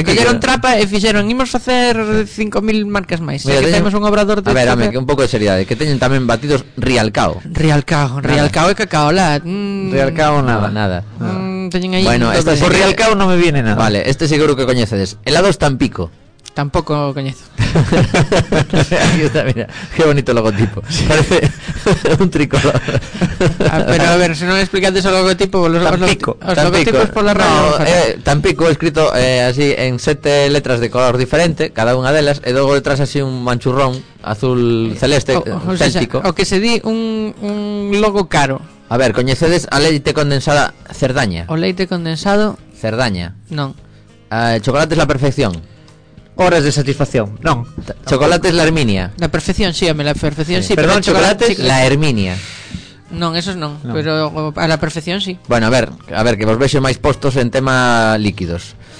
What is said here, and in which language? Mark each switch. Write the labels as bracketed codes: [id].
[gl] Que colleron trapa e fixeron. Imos facer 5.000 marcas máis. Mira, que temos un obrador de. A ver, dame, que un pouco de seriedade. Que teñen tamén batidos Rialcao. Rialcao. Rialcao e cacao lá. Rialcao nada. Nada. Teñen aí. [es] Bueno, este por Rialcao no me viene nada. [gl] Vale, este seguro que coñeces. [es] Helados Tampico. [gl] Tampoco coñezo. [es] Aquí está, mira, qué bonito logotipo. Sí. Parece un tricolor. Pero a ver, si no me explicas el logotipo, los logotipos por la radio. No, Tampico escrito así en 7 letras de color diferente, cada una de ellas, y luego detrás así un manchurrón azul celeste, céltico. [gl] O que se di un logo caro. A ver, coñecedes a leite condensada Cerdaña. O leite condensado Cerdaña. [es] No. Chocolate es la perfección. Horas de satisfacción. No. Chocolate es la Herminia. La perfección, sí, la perfección, sí. Perdón, chocolate sí. La Herminia. No, eso es no. Pero a la perfección, sí. [gl] Bueno, a ver, que vos veis más postos en tema líquidos.